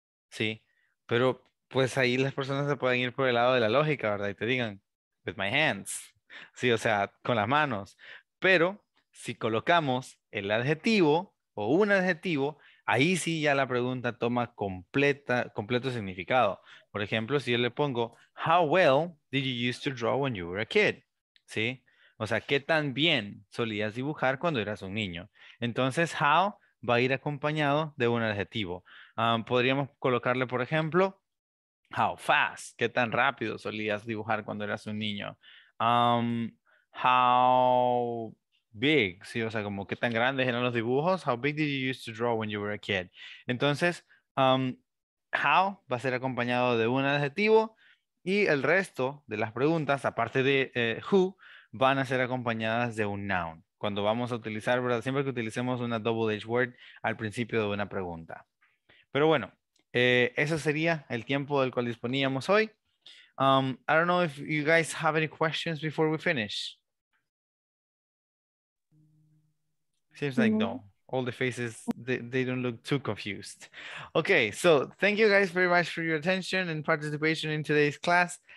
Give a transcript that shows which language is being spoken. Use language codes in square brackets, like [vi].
[es] ¿Sí? Pero pues ahí las personas se pueden ir por el lado de la lógica, ¿verdad? Y te digan, [en] with my hands. [es] Sí, o sea, con las manos. Pero si colocamos el adjetivo o un adjetivo, ahí sí ya la pregunta toma completo significado. Por ejemplo, si yo le pongo, [en] how well did you used to draw when you were a kid? [es] ¿Sí? O sea, ¿qué tan bien solías dibujar cuando eras un niño? Entonces, how va a ir acompañado de un adjetivo. Podríamos colocarle, por ejemplo, [en] how fast, [es] ¿qué tan rápido solías dibujar cuando eras un niño? [en] How big, [es] ¿sí? O sea, como qué tan grandes eran los dibujos. [en] How big did you used to draw when you were a kid? [es] Entonces, how va a ser acompañado de un adjetivo y el resto de las preguntas, aparte de who, van a ser acompañadas de un noun. Cuando vamos a utilizar, ¿verdad? Siempre que utilicemos una double edged word al principio de una pregunta. Pero bueno, eso sería el tiempo del cual disponíamos hoy. [en] I don't know if you guys have any questions before we finish. Seems like no. All the faces, they don't look too confused. Okay, so thank you guys very much for your attention and participation in today's class.